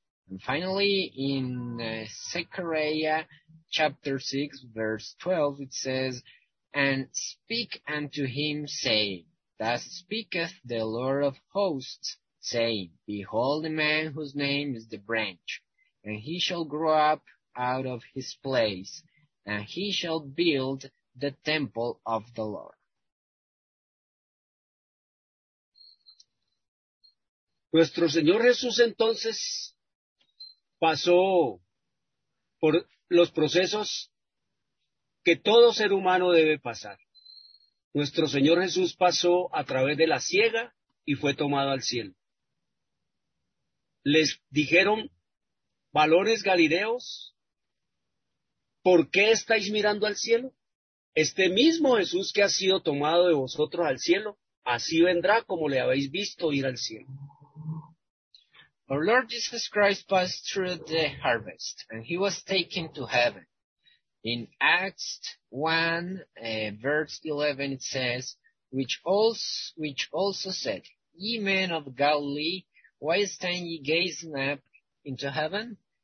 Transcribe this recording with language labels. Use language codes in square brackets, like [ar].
[en] And finally, in Zechariah chapter 6, verse 12, it says, and speak unto him, saying, thus speaketh the Lord of hosts, saying, behold, the man whose name is the branch, and he shall grow up out of his place, and he shall build the temple of the Lord. [es] Nuestro Señor Jesús entonces pasó por los procesos que todo ser humano debe pasar. Nuestro Señor Jesús pasó a través de la siega y fue tomado al cielo. Les dijeron, varones galileos, ¿por qué estáis mirando al cielo? Este mismo Jesús que ha sido tomado de vosotros al cielo, así vendrá como le habéis visto ir al cielo. [en] Our Lord Jesus Christ passed through the harvest, and he was taken to heaven. In Acts 1, verse 11, it says, which also said, ye men of Galilee, why stand ye gazing up into heaven?